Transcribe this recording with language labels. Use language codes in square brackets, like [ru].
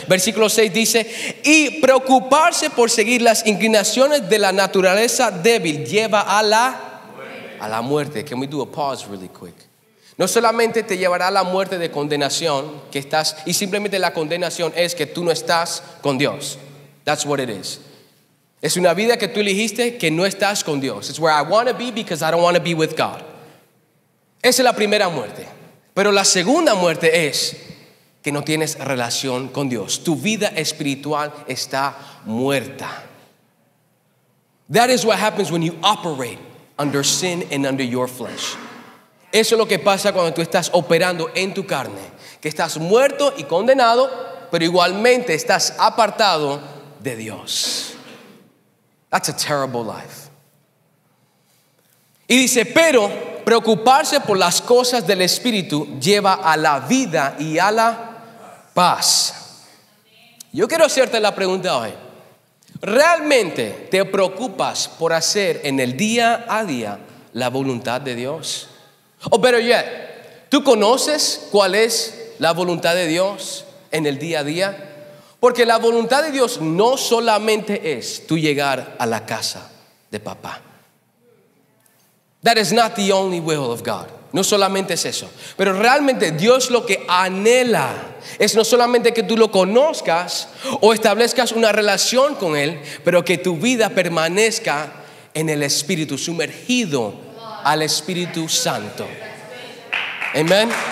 [es] Versículo 6 dice, y preocuparse por seguir las inclinaciones de la naturaleza débil lleva a la muerte. A la muerte. [en] Can we do a pause really quick? [es] No solamente te llevará a la muerte de condenación, que estás, y simplemente la condenación es que tú no estás con Dios. [en] That's what it is. [es] Es una vida que tú elegiste que no estás con Dios. [en] It's where I want to be because I don't want to be with God. [es] Esa es la primera muerte. Pero la segunda muerte es que no tienes relación con Dios. Tu vida espiritual está muerta. [en] That is what happens when you operate under sin and under your flesh. [es] Eso es lo que pasa cuando tú estás operando en tu carne, que estás muerto y condenado, pero igualmente estás apartado de Dios. [en] That's a terrible life. [es] Y dice, pero preocuparse por las cosas del Espíritu lleva a la vida y a la paz. Yo quiero hacerte la pregunta hoy. ¿Realmente te preocupas por hacer en el día a día la voluntad de Dios? O [en] better yet, [es] ¿tú conoces cuál es la voluntad de Dios en el día a día? Porque la voluntad de Dios no solamente es tú llegar a la casa de papá. [en] That is not the only will of God. [es] No solamente es eso. Pero realmente Dios lo que anhela es no solamente que tú lo conozcas o establezcas una relación con Él, pero que tu vida permanezca en el Espíritu, sumergido al Espíritu Santo. Amén.